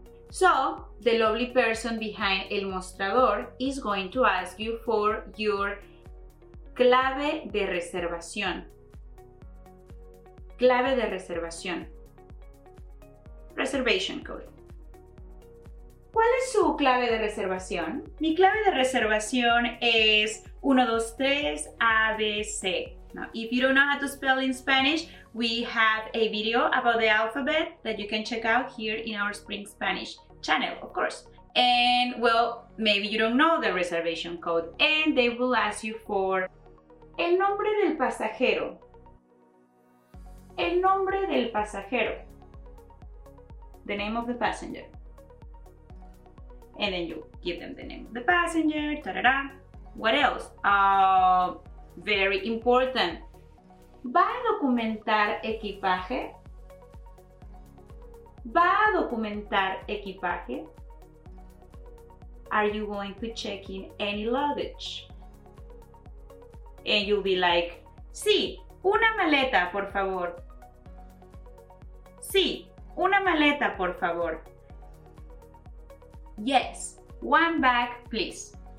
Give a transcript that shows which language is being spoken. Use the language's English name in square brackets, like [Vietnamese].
[English] So, the lovely person behind [Spanish] el mostrador [English] is going to ask you for your [Spanish] clave de reservación. [English] Clave de reservación. Reservation code. [Spanish] ¿Cuál es su clave de reservación? Mi clave de reservación es 123 ABC. [English] Now, if you don't know how to spell in Spanish, we have a video about the alphabet that you can check out here in our Spring Spanish channel, of course. And well, maybe you don't know the reservation code and they will ask you for [Spanish] el nombre del pasajero. El nombre del pasajero. [English] The name of the passenger. And then you give them the name of the passenger, tarara. What else? Very important. [Spanish] ¿Va a documentar equipaje? ¿Va a documentar equipaje? [English] Are you going to check in any luggage? And you'll be like, [Spanish] sí, una maleta, por favor. Sí, una maleta, por favor. [English] Yes, one bag, please.